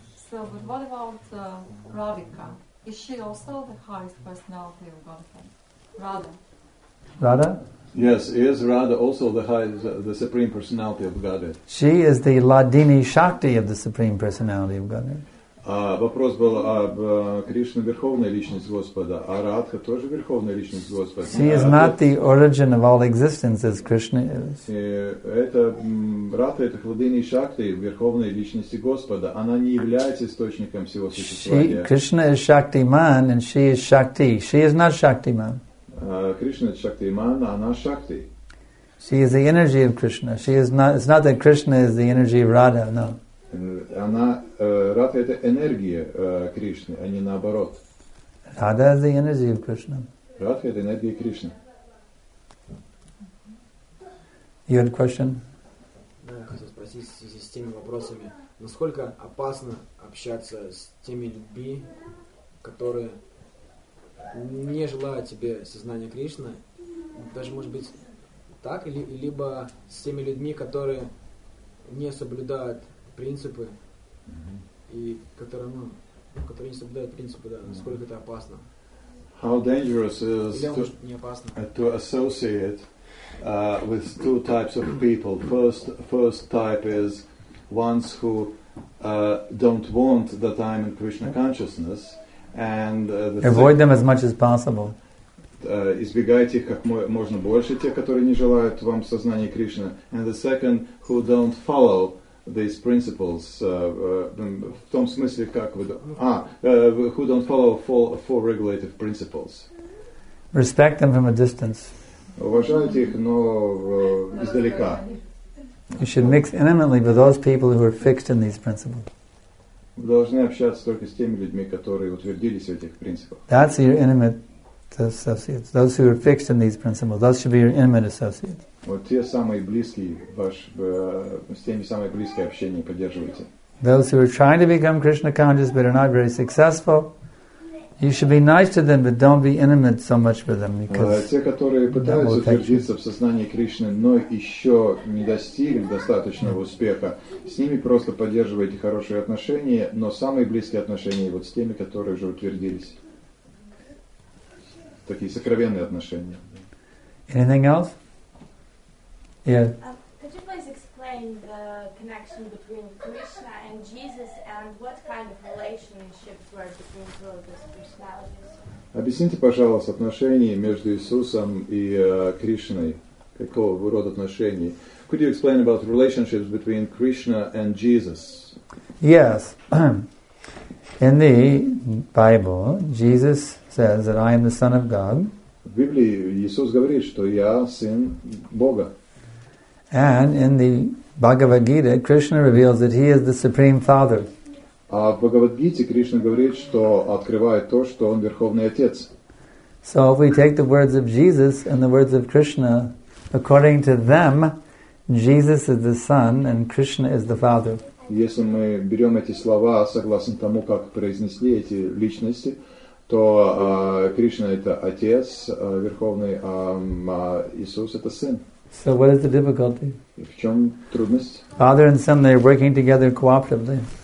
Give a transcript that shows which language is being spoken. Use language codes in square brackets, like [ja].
[en] So, but what about Radhika? Is she also the highest personality of Godhead? Radha? Yes, is Radha also the highest, the supreme personality of Godhead? She is the Ladini Shakti of the supreme personality of Godhead. [ru] Вопрос был об Кришне, верховной личности Господа, а Радха тоже верховная личность Господа. [en] She is not the origin of all existence as Krishna is. [ru] Это Радха, это Хладини Шакти, верховная личность Господа. Она не является источником всего существования. [en] Krishna is Shaktiman and she is Shakti. She is not Shaktiman. [ru] Кришна Шактиман, она Шакти. [en] She is the energy of Krishna. She is not. It's not that Krishna is the energy of Radha. No. [ru] Она Радха это энергия Кришны, а не наоборот. [en] Радха is the energy of Krishna. [ru] Радха это энергия Кришны. [en] You had a question? [ru] Да, я хотел спросить в связи с теми вопросами, насколько опасно общаться с теми людьми, которые не желают тебе сознания Кришны, даже может быть так, или либо с теми людьми, которые не соблюдают принципы. и которые, ну, которые не соблюдают принципы, да, насколько это опасно. [en] How dangerous is to associate with two types of people. First type is ones who don't want that I'm in Krishna consciousness, and avoid them as much as possible. [ru] Избегайте их как можно больше, те, которые не желают вам сознания Кришны. [en] And the second, who don't follow these principles, [ru] в том смысле, как вы... [en] who don't follow four regulative principles. Respect them from a distance. [ru] Уважайте их, но издалека. [en] You should mix intimately with those people who are fixed in these principles. [ru] Вы должны общаться только с теми людьми, которые утвердились в этих принципах. [en] That's your intimate associates. Those who are fixed in these principles, those should be your intimate associates. [ru] Вот те самые близкие, ваш, с теми самые близкие общения поддерживайте. [en] Those who are trying to become Krishna conscious but are not very successful, you should be nice to them, but don't be intimate so much with them, because [ru] те, которые пытаются утвердиться в сознании Кришны, но еще не достигли достаточного успеха, с ними просто поддерживайте хорошие отношения, но самые близкие отношения вот с теми, которые уже утвердились. Такие сокровенные отношения. [en] Anything else? Yeah. Could you please explain the connection between Krishna and Jesus and what kind of relationships were between two of those personalities? [ru] Объясните, пожалуйста, отношения между Иисусом и Кришной. Какого рода отношений? [en] Could you explain about relationships between Krishna and Jesus? Yes. In the Bible, Jesus says that I am the Son of God. [ru] В Библии Иисус говорит, что я сын Бога. [en] And in the Bhagavad Gita, Krishna reveals that he is the Supreme Father. [ru] А в Бхагавад Гите Кришна говорит, что открывает то, что он Верховный Отец. [en] So if we take the words of Jesus and the words of Krishna, according to them, Jesus is the Son and Krishna is the Father. [ru] Если мы берем эти слова согласно тому, как произнесли эти личности, то Кришна это отец верховный, а Иисус это сын. [en] So what is the difficulty? [ru] И в чем трудность? [en] Father and son, they're working together cooperatively.